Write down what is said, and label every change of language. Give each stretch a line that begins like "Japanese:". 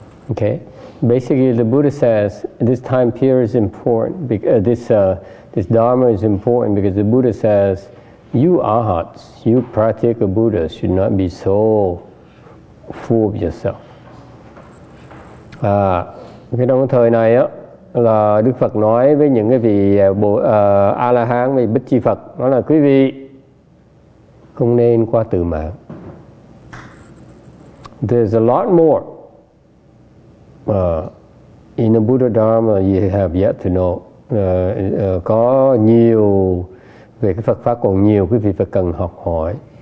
English: Okay, basically the Buddha says this time period is important because this Dharma is important because the Buddha says you arhats, you pratica Buddha should not be so full of yourself.
Vietnamese: Cái đồng thời này á là Đức Phật nói với những cái vị A-la-hán và Bích Chi Phật, đó là quý vị không nên qua tự mạng.
English: There's a lot more in the Buddha Dharma you have yet to know.
Vietnamese: Có nhiều về cái Phật pháp còn nhiều quý vị phải cần học hỏi.